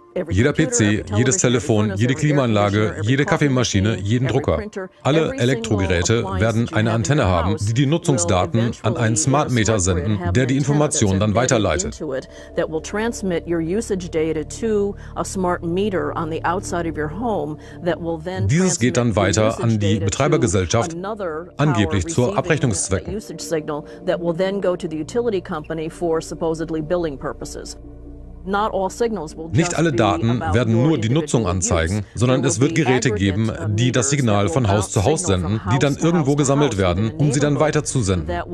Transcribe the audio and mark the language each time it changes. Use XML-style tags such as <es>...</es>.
<de>Jeder PC, jedes Telefon, jede Klimaanlage, jede Kaffeemaschine, jeden Drucker, alle Elektrogeräte werden eine Antenne haben, die die Nutzungsdaten an einen Smart Meter senden, der die Informationen dann weiterleitet.</de> <en>That will transmit your usage data to a smart meter on the outside of your home that will then.</en> <de>Dieses geht dann weiter an die Betreibergesellschaft, angeblich zur Abrechnungszwecken.</de> <en>That will then go to the utility company for supposedly billing purposes.</en> <de>Nicht alle Daten werden nur die Nutzung anzeigen, sondern es wird Geräte geben, die das Signal von Haus zu Haus senden, die dann irgendwo gesammelt werden, um sie dann weiterzusenden.</de>